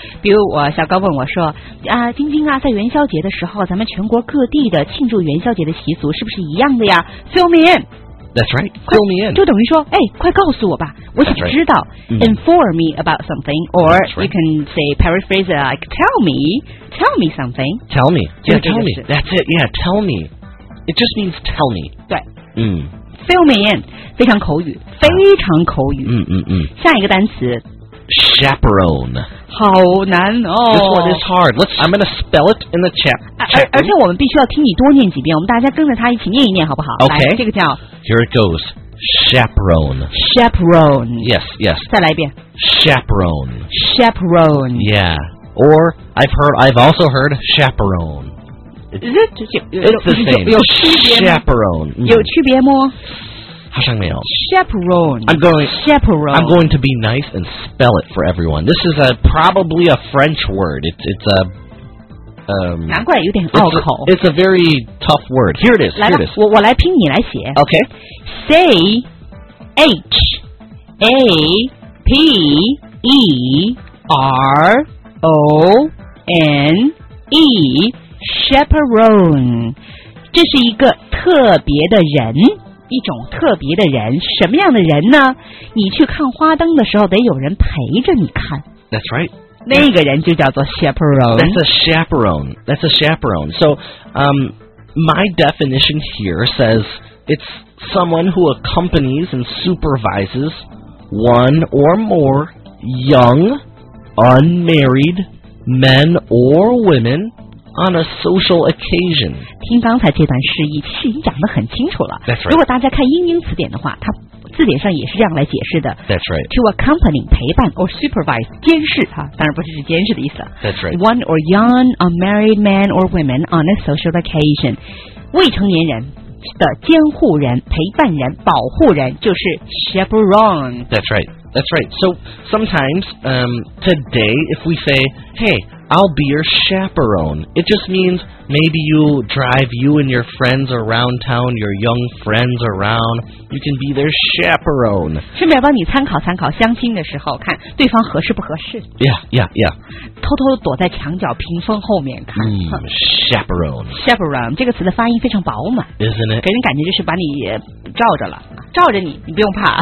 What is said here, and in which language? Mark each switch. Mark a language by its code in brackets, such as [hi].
[zh] 比如我小高问我说，晶晶啊，在元宵节的时候，咱们全国各地的庆祝元宵节的习俗是不是一样的呀？ [en] Fill me in. That's right. Fill me in. [zh] 就等于说，哎，快告诉我吧，我想知道。 [en] Right. Inform me about something. Or you can say paraphrase it like, tell me something. Tell me. Yeah, tell me. That's it. Yeah, tell me. It just means tell me. [zh] 对。嗯。 [en] Fill me in. [zh] 非常口语。非常口语。嗯嗯嗯。下一个单词。 [en] Chaperone. [zh] 好难哦。 [en] This one is hard. I'm going to spell it in the chat. [zh] 而且我们必须要听你多念几遍。我们大家跟着他一起念一念好不好 [en] ?Okay. [zh] 这个叫。 [en] Here it goes. Chaperone. Chaperone. Yes, yes. [zh] 再来一遍。 [en] Chaperone. Chaperone. Yeah. Or I've also heard chaperone. It's the same. [zh] 有区别吗? [en] Chaperone. [zh] 有区别吗? 好像没有。 [en] Chaperone. Chaperone. I'm going to be nice and spell it for everyone. This is probably a French word. It's a. [zh] 难怪有点拗口。 [en] It's a very tough word. Here it is. [zh] 来吧，我来拼，你来写。 [en] Okay. Say H A P E R O N E Chaperone， [zh] 这是一个特别的人，一种特别的人。什么样的人呢？你去看花灯的时候得有人陪着你看。 [en] That's right， [zh] 那个人就叫做 chaperone。 [en] That's a chaperone， that's a chaperone. So my definition here says it's someone who accompanies and supervises one or more young unmarried men or womenOn a social occasion. [zh] 听刚才这段释义，其实已经讲得很清楚了。 [en] That's right. [zh] 如果大家看英英词典的话，它字典上也是这样来解释的。 [en] That's right. To accompany [zh] 陪伴 [en] or supervise [zh] 监视哈，当然不是指监视的意思。 [en] That's right. One or young unmarried man or women on a social occasion， [zh] 未成年人的监护人、陪伴人、保护人就是 chaperone. [en] That's right. That's right. So sometimes, today, if we say, hey. I'll be your chaperone. It just means maybe you drive you and your friends around town, your young friends around. You can be their chaperone. [zh] 顺便帮你参考参考相亲的时候，看对方合适不合适。 [en] Yeah, yeah, yeah. [zh] 偷偷躲在墙角屏风后面看。 [en] Chaperone. [zh] Chaperone 这个词的发音非常饱满。 [en] Isn't it? [zh] 给人感觉就是把你罩着了。照着你，你不用怕。